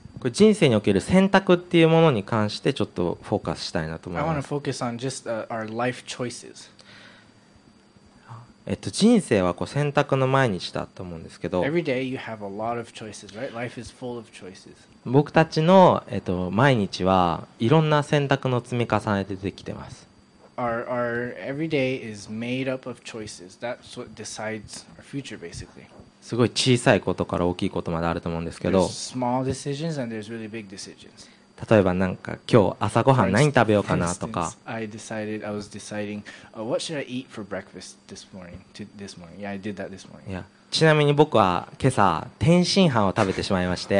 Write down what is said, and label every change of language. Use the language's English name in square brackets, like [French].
[Japanese] 人生における選択っていうものに関してちょっとフォーカスしたいなと思います。 [English] I want to focus on just our life choices. [Japanese] 人生はこう選択の毎日だと思うんですけど、 [English] Every day you have a lot of choices, right? Life is full of choices. [Japanese] 僕たちの毎日はいろんな選択の積み重ねでできてます。 [English] Our everyday is made up of choices. That's what decides our future, basically. [Japanese] すごい小さいことから大きいことまであると思うんですけど。 [English] There's small decisions and there's really big decisions. [Japanese] 例えばなんか今日朝ごはん何食べようかなとか。 [English] For instance, I was deciding, what should I eat for breakfast this morning? Yeah, I did that this morning. Yeah. [Japanese] ちなみに僕は今朝天津飯を食べてしまいまして。